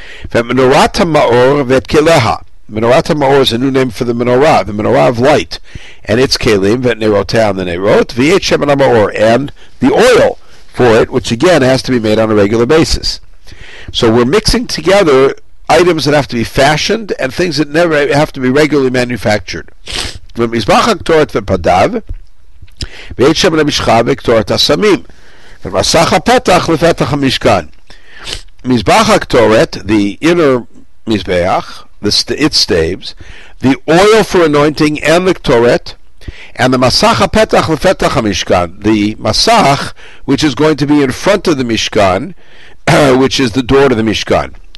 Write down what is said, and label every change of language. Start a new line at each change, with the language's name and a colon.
Hebrew: Menorat ha'maor v'et keleha.
English: Menorat ha'maor is a new name for the menorah of light, and its kelim, v'et nerotah on the nerot, v'et shemen ha'maor, and the oil for it, which again has to be made on a regular basis. So we're mixing together items that have to be fashioned and things that never have to be regularly manufactured.
Hebrew: ומזבח הקטורת ופדיו ואת שמן המשחה וקטורת הסמים ומסך הפתח לפתח המשכן.
English: מזבח הקטורת, the inner מזבח, its staves, the oil for anointing and the קטורת, and the
Hebrew: masach ha-petach lefetach ha-mishkan,
English: the masach, which is going to be in front of the mishkan, which is the door to the mishkan.